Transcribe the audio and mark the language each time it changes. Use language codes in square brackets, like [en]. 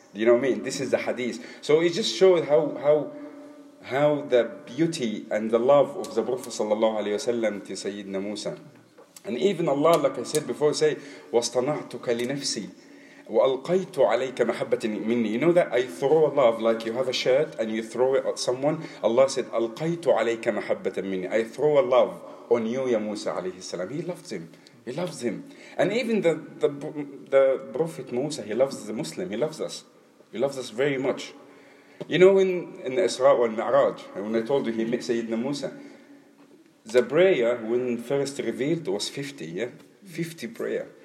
[en] Do you know what I mean? This is the hadith. So it just shows how the beauty and the love of the Prophet sallallahu alayhi wa sallam to Sayyidina Musa. And even Allah, like I said before, say, [ar] وَاصْطَنَعْتُكَ لِنَفْسِي وَأَلْقَيْتُ عَلَيْكَ مَحَبَّةٍ مِّنِّي. [en] You know that I throw love, like you have a shirt and you throw it at someone. Allah said, [ar] أَلْقَيْتُ عَلَيْكَ مَحَبَّةً مِّنِّي. [en] I throw a love on you, ya Musa alayhi salam. He loves him. He loves him. And even the Prophet Musa, he loves the Muslim. He loves us. He loves us very much. You know, in Isra and Mi'raj, when I told you he met Sayyidina Musa, the prayer when first revealed was 50, yeah? 50 prayer.